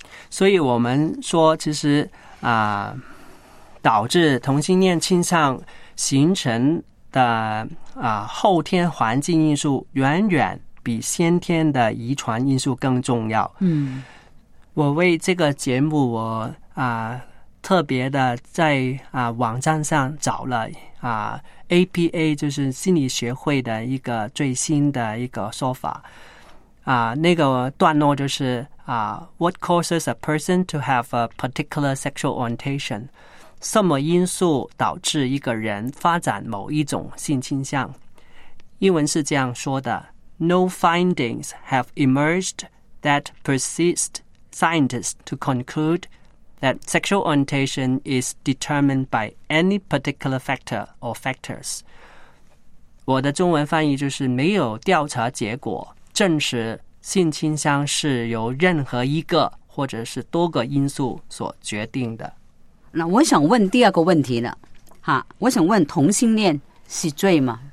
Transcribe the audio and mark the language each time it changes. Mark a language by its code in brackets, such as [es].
[zh] 所以我们说，其实导致同性恋倾向形成的后天环境因素远远比先天的遗传因素更重要。嗯，我为这个节目，我特别的在网站上找了APA， 就是心理学会的一个最新的一个说法。那个段落就是 [en] What causes a person to have a particular sexual orientation？ [zh] 什么因素导致一个人发展某一种性倾向？英文是这样说的 [en] ：No findings have emerged that persuade scientists to conclude that sexual orientation is determined by any particular factor or factors。 [zh] 我的中文翻译就是：没有调查结果证实性倾向是由任何一个或者是多个因素所决定的。那我想问第二个问题呢，我想问同性恋是罪吗？